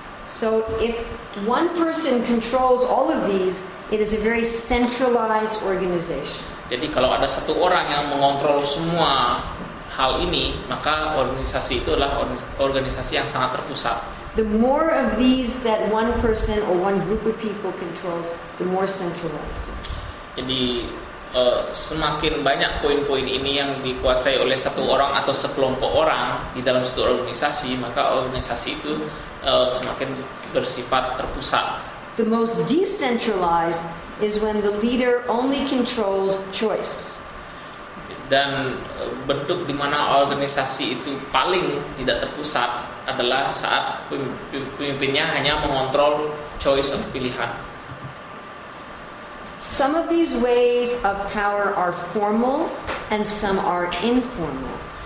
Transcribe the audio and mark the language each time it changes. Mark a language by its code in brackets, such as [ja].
[en] So if one person controls all of these, it is a very centralized organization. [id] Jadi kalau ada satu orang yang mengontrol semua hal ini, maka organisasi itu adalah organisasi yang sangat terpusat. [en] The more of these that one person or one group of people controls, the more centralized. [id] Jadi semakin banyak poin-poin ini yang dikuasai oleh satu orang atau sekelompok orang di dalam satu organisasi, maka organisasi itu semakin bersifat terpusat. [en] The most decentralized is when the leader only controls choice. [id] Dan bentuk di mana organisasi itu paling tidak terpusat adalah saat pemimpinnya hanya mengontrol choice atau pilihan. [en] Some of these ways of power are formal and some are informal.